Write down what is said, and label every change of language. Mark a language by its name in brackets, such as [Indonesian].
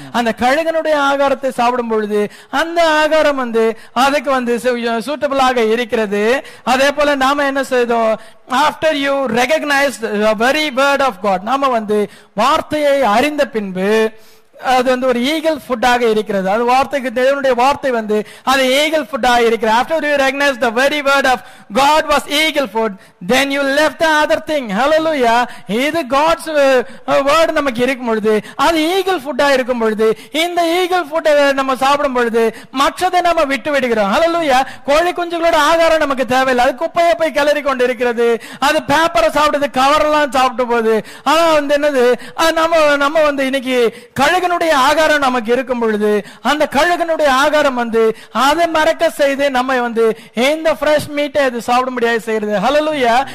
[Tamil] அந்த கழுகினுடைய ஆகாரத்தை சாப்பிடும் பொழுது அந்த ஆகாரம் வந்து அதுக்கு வந்து சூட்டபிளாக இருக்கிறது. அதே போல நாம என்ன செய்தோம், [English] after you recognize the very word of God, [Tamil] நாம வந்து வார்த்தையை அறிந்த பின்பு அது வந்து ஒரு ஈகிள் ஃபுட்டாக இருக்கிறது. அது வார்த்தைக்கு தேவனுடைய வார்த்தை வந்து அது ஈகிள் ஃபுட்டாக இருக்கிறது. [English] after you recognize the very word of God was eagle food, then you left the other thing. Hallelujah. [Tamil] இது God's word நமக்கு இருக்கும் பொழுது அது ஈகிள் ஃபுட்டாக இருக்கும் பொழுது இந்த ஈகிள் ஃபுட்டை நம்ம சாப்பிடும் பொழுது மற்றதை நம்ம விட்டு விடுகிறோம். ஹல்லேலூயா. கோழி குஞ்சுகளோட ஆகாரம் நமக்கு தேவையில்லை, அது குப்பையை போய் கிளறி கொண்டு இருக்கிறது. அது பேப்பரை சாப்பிடுது, கவரெல்லாம் சாப்பிட்டு போகுது. ஆனால் வந்து என்னது, நம்ம வந்து இன்னைக்கு கழுகு ஆகாரம் நமக்கு இருக்கும் பொழுது அந்த கழுகனுடைய ஆகாரம் வந்து அதை மறக்க செய்து நம்ம வந்து இந்த ஃப்ரெஷ் மீட்டை அது சாப்பிட முடியாது செய்யறது. ஹல்லேலூயா.